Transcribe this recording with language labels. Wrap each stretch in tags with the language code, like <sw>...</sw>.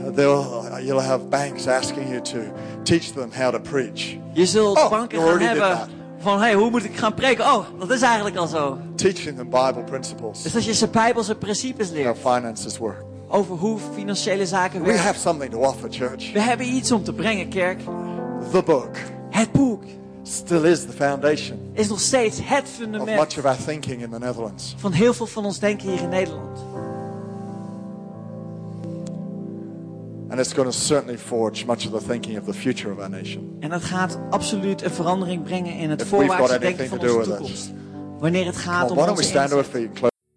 <en>You'll have banks asking you to teach them how to preach.</en> <nl>Je zult banken gaan hebben van, hey, hoe moet ik gaan preken? Oh, dat is eigenlijk al zo.</nl> <en>Teaching them Bible principles.</en> <nl>Dus dat je ze Bijbelse principes leert.</nl> <en>How finances work.</en> <nl>Over hoe financiële zaken</nl> <en>werken. We have something to offer, church.</en> <nl>We hebben iets om te brengen, kerk.</nl> <en>The book.</en> <nl>Het boek.</nl> <en>Still is the foundation.</en> <nl>Is nog steeds het fundament.</nl> <en>Of much of our thinking in the Netherlands.</en> <nl>Van heel veel van ons denken hier in Nederland.</nl> <en>And it's going to certainly forge much of the thinking of the future of our nation.</en> <nl>En dat gaat absoluut een verandering brengen in het voorwaartse denken van onze toekomst. Wanneer het gaat om onze inzet.</nl>